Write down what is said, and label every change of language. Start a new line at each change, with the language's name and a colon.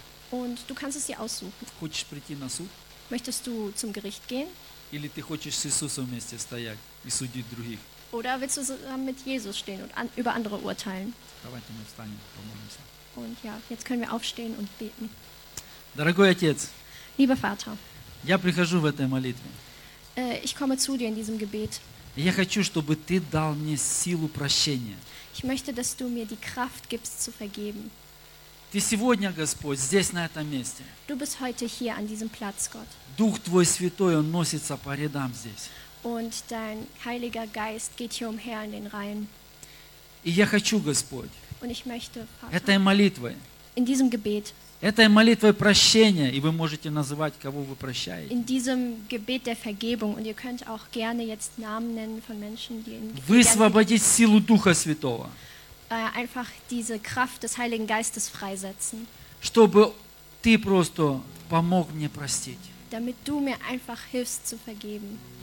German: Und du kannst es dir aussuchen.
Russian: Хочешь прийти на суд?
German: Möchtest du zum Gericht gehen?
Russian: Или ты хочешь с Иисусом вместе стоять и судить других?
German: Oder willst du zusammen mit Jesus stehen und über andere urteilen?
Russian: Давайте мы встанем, помолимся.
German: Und ja, jetzt können wir aufstehen und beten.
Russian: Дорогой отец.
German: Lieber Vater.
Russian: Я прихожу в этой молитве.
German: Ich komme zu dir in diesem Gebet.
Russian: Я хочу, чтобы ты дал мне силу прощения.
German: Ich möchte, dass du mir die Kraft gibst zu vergeben.
Russian: Ты сегодня, Господь, здесь на этом месте.
German: Du bist heute hier an diesem Platz, Gott.
Russian: Дух твой святой, он носится по рядам здесь.
German: Und dein heiliger Geist geht hier umher in den Reihen.
Russian: И я хочу, Господь.
German: Und ich möchte,
Russian: Vater, этой молитвой.
German: In diesem Gebet.
Russian: Этой молитвой прощения, и вы можете называть, кого вы прощаете.
German: In diesem Gebet der Vergebung, und ihr könnt auch gerne jetzt Namen nennen von Menschen, die in
Russian: Gebet. Высвободить силу Духа Святого.
German: Einfach diese Kraft des Heiligen Geistes freisetzen.
Russian: Чтобы ты просто помог мне простить.
German: Damit du mir einfach hilfst zu vergeben.